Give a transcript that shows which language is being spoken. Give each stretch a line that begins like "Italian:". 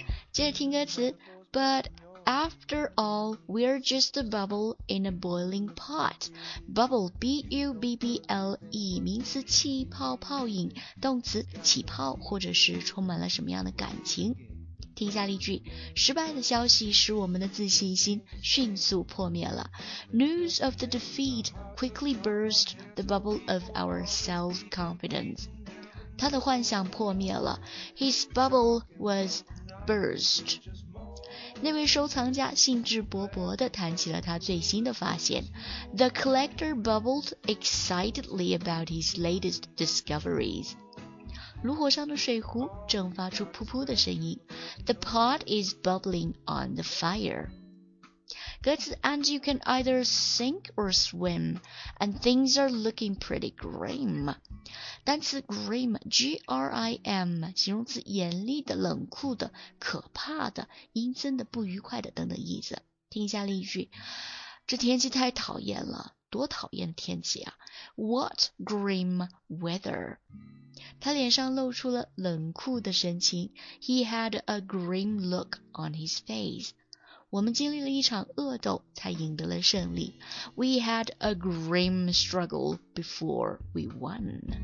Chinese: 接着听歌词
English: But after all, we're just a bubble in a boiling pot.
Chinese: Bubble, B-U-B-B-L-E, 名词气泡泡影，动词起泡或者是充满了什么样的感情。听一下例句，失败的消息使我们的自信心迅速破灭了。
English: News of the defeat quickly burst the bubble of our self-confidence.
Chinese: 他的幻想破灭了
English: His bubble was burst
Chinese: 那位收藏家兴致勃勃地谈起了他最新的发现
English: The collector bubbled excitedly about his latest discoveries
Chinese: 炉火上的水壶正发出噗噗的声音
English: The pot is bubbling on the fire
Chinese: 歌词
English: And you can either sink or swim And things are looking pretty grim
Chinese: 单词 grim, G-R-I-M, 形容词严厉的、冷酷的、可怕的、阴森的、不愉快的等等意思。听一下例句，这天气太讨厌了，多讨厌的天气啊 ！
English: What grim weather?
Chinese: 他脸上露出了冷酷的神情。
English: He had a grim look on his face.
Chinese: 我们经历了一场恶斗才赢得了胜利。
English: We had a grim struggle before we won.